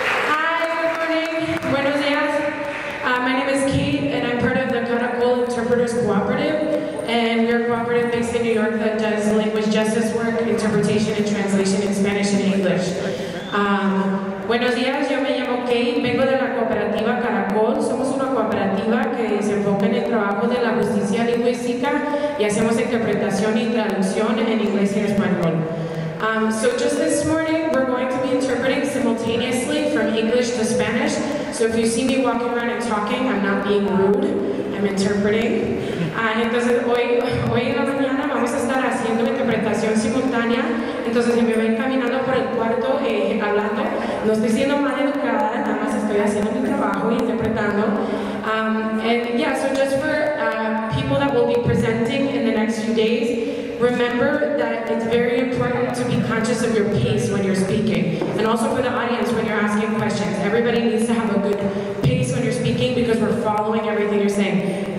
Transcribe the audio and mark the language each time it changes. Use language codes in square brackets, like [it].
[en] Hi, good morning. [es] Buenos dias. [en] My name is Kate, and I'm part of the Caracol Interpreters Cooperative. And we're a cooperative based in New York that does language justice work, interpretation, and translation in Spanish and English. [es] Buenos dias, yo me llamo Kate, vengo de la cooperativa Caracol. Somos una cooperativa que se enfoca en el trabajo de la justicia lingüística y hacemos interpretación y traducción en inglés y español. [en] So just this morning, we're going to be interpreting simultaneously from English to Spanish. So if you see me walking around and talking, I'm not being rude, I'm interpreting. [es] Entonces hoy en la mañana vamos a estar haciendo interpretación simultánea. Entonces si me ven caminando por el cuarto hablando, no estoy siendo mal educada, nada más estoy haciendo mi trabajo y interpretando. [en] So just for people that will be presenting in the next few days, remember that it's very important to be conscious of your pace when you're speaking. And also for the audience when you're asking questions, everybody needs to have a good pace when you're speaking because we're following everything you're saying.